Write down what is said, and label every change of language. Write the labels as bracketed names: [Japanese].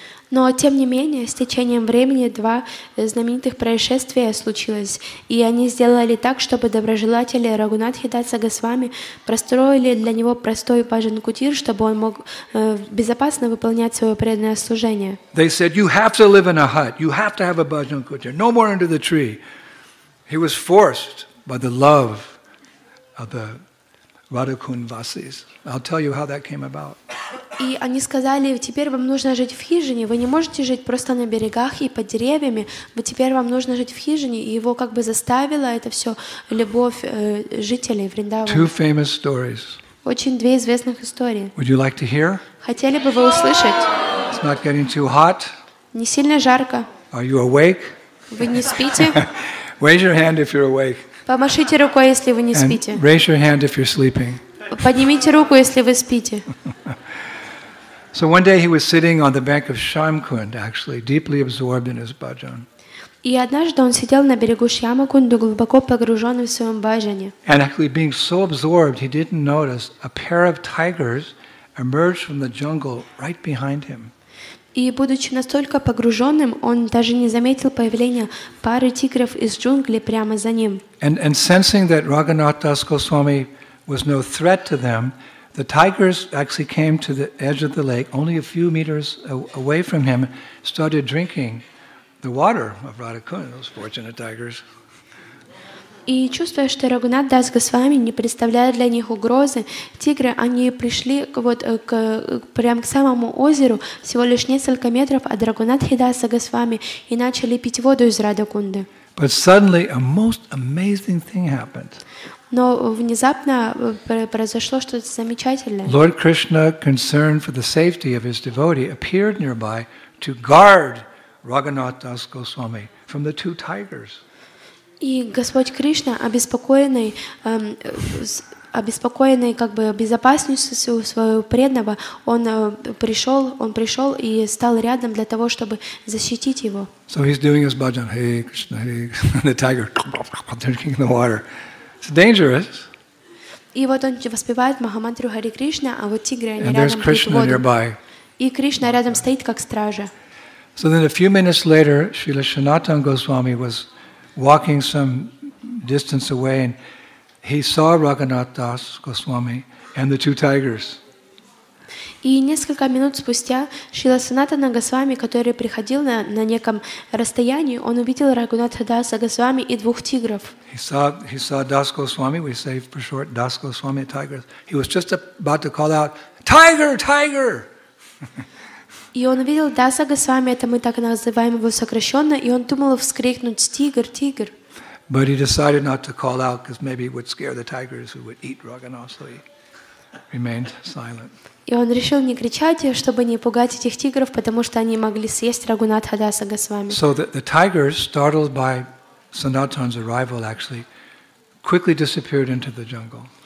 [Russian] Но тем не менее, с течением времени два знаменитых происшествия случилось, и они сделали так, чтобы доброжелатели Рагхунатхи Даса Госвами построили для него простой бхаджан кутир, чтобы он мог безопасно выполнять свое преданное служение. [English] They said you have to live in a hut, you have to have a bhajan kutir, no more under the tree. He was forced by the love of the Radhakund Vasis. I'll tell you how that came about. [Russian] И они сказали: теперь вам нужно жить в хижине. Вы не можете жить просто на берегах и под деревьями. Вы теперь вам нужно жить в хижине. И его как бы заставила это все любовь жителей Вриндавана. [English] Two famous stories. [Russian] Очень две известных истории. [English] Would you like to hear? [Russian] Хотели бы вы услышать? [English] It's not getting too hot. [Russian] Не сильно жарко. [English] Are you awake? [Russian] Вы не спите? [English] Raise your hand if you're awake. [Russian] Помашите рукой, если вы не спите. [English] Raise your hand if you're sleeping. [Russian] Поднимите руку, если вы спите. [English] So one day he was sitting on the bank of Shyamkund, actually, deeply absorbed in his bhajan. [Russian] И однажды он сидел на берегу Шьямакунды, глубоко погруженный в своем бхаджане. [English] And actually being so absorbed, he didn't notice a pair of tigers emerged from the jungle right behind him. [Russian] И будучи настолько погруженным, он даже не заметил появления пары тигров из джунглей прямо за ним. [English] And sensing that Raghunath Das Goswami was no threat to them, the tigers actually came to the edge of the lake, only a few meters away from him, started drinking the water of Radhakund, those fortunate tigers. [Russian] И чувствуя, что Рагунат Дас Госвами не представляет для них угрозы, тигры, они пришли вот прямо к самому озеру, всего лишь несколько метров от Рагунатхи Даса Госвами, и начали пить воду из Радхакунды. [English] But suddenly a most amazing thing happened. [Russian] Но внезапно произошло что-то замечательное. [English] Lord Krishna, concerned for the safety of his devotee, appeared nearby to guard Raghunath Das Goswami from the two tigers. [Russian] И Господь Кришна, обеспокоенный как бы безопасностью своего преданного, он пришел и стал рядом для того, чтобы защитить его. [English] So he's doing his bhajan, hey Krishna, hey, and the tiger drinking the water. It's dangerous. [Russian] И вот он воспевает Махамантру Хари Кришна, а вот тигры рядом. [English] And there's Krishna nearby. [Russian] И Кришна рядом стоит как стража. [English] So then a few minutes later, Srila Sanatana Goswami was walking some distance away and he saw Raghunath Das Goswami and the two tigers. [Russian] И несколько минут спустя Шрила Санатана Госвами, который приходил на неком расстоянии, он увидел Рагунатха Даса Госвами и двух тигров. [English] He saw Das Goswami, we say for short, Das Goswami, tigers. He was just about to call out, tiger, tiger! [Russian] И он увидел Даса Госвами, это мы так называем его сокращенно, и он думал вскрикнуть, тигр, тигр. [English] But he decided not to call out because maybe it would scare the tigers who would eat Raghunath, so he remained silent. [Russian] И он решил не кричать, чтобы не пугать этих тигров, потому что они могли съесть Рагунатха Даса Госвами. [English] So the tigers, startled by Sanatan's arrival, actually quickly disappeared into the jungle.